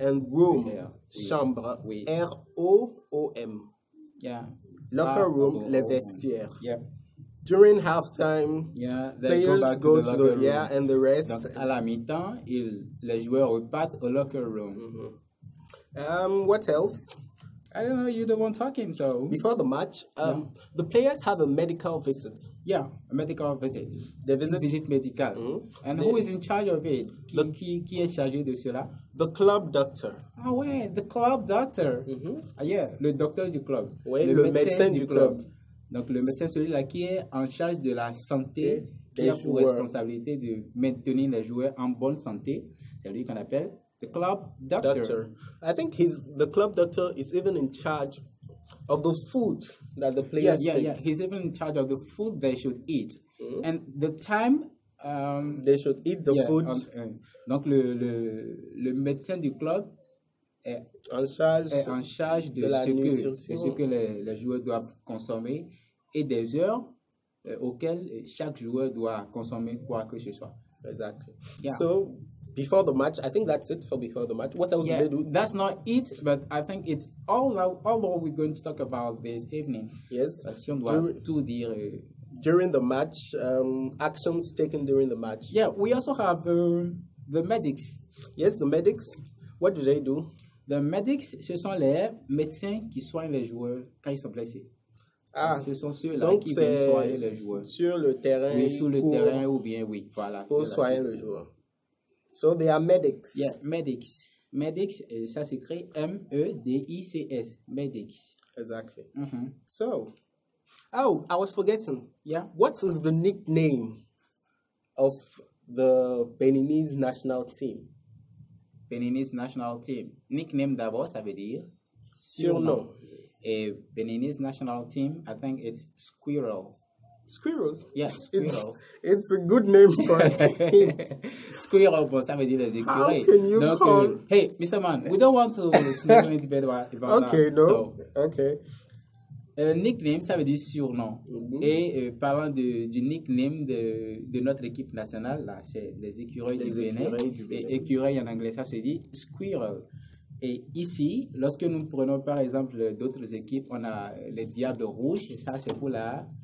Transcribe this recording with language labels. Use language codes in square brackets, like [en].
[en] And room. Chambre. [fr] Oui. [en] R-O-O-M. Yeah. [fr] Locker room, les vestiaires. [en] Yeah. During halftime, players go to the locker room. Yeah, and the rest. [fr] Donc, à la mi-temps, les joueurs repartent au locker room. [en] Mm-hmm. What else? I don't know, you're the one talking, so. Before the match, the players have a medical visit. Yeah, a medical visit. They visit. [fr] Visit médical. Mm-hmm. [en] And who is in charge of it? [fr] Qui est chargé de cela? [en] The club doctor. Ah ouais, the club doctor. Mm-hmm. [fr] Ah, yeah, le docteur du club. Oui, le médecin du club. Donc le médecin, celui-là qui est en charge de la santé, qui a pour responsabilité de maintenir les joueurs en bonne santé, c'est lui qu'on appelle the club doctor. [en] I think the club doctor is even in charge of the food that the players take. Yeah, he's even in charge of the food they should eat. Mm-hmm. And the time... they should eat the food. [fr] Donc le médecin du club est en charge de ce que les joueurs doivent consommer et des heures auxquelles chaque joueur doit consommer quoi que ce soit. [en] Exactly. Yeah. So, before the match, I think that's it for before the match. What else do they do? That's not it, but I think it's all we're going to talk about this evening. Yes. [fr] Si on doit tout dire... [en] During the match, actions taken during the match. Yeah, we also have the medics. Yes, the medics. What do they do? [fr] The medics, ce sont les médecins qui soignent les joueurs quand ils sont blessés. Ah, ce sont ceux-là qui viennent soigner les joueurs. Sur le terrain. Oui, sur le terrain ou bien oui, voilà. Pour soigner le joueur. [en] So they are medics. Yeah, medics. [fr] Medics, ça s'écrit M-E-D-I-C-S. [en] Medics. Exactly. Mm-hmm. So... Oh, I was forgetting. Yeah. What is the nickname of the Beninese national team? Beninese national team. Nickname [fr] d'abord, ça veut dire? Surnom. [en] Et Beninese national team, I think it's squirrels. Squirrels? Yeah, squirrels. It's a good name for a team. [fr] Squirrels, bon, ça veut dire les [en] écureuils. How can you [fr] Donc, [en] call? Hey, Mr. Man, we don't want to make any debate about okay, Okay, no. So, okay. [fr] Nickname, ça veut dire surnom. Mm-hmm. Et parlant du nickname de notre équipe nationale, là, c'est les écureuils du Bénin. Et écureuil en anglais, ça se dit squirrel. Et ici, lorsque nous prenons par exemple d'autres équipes, on a les diables rouges, ça c'est pour la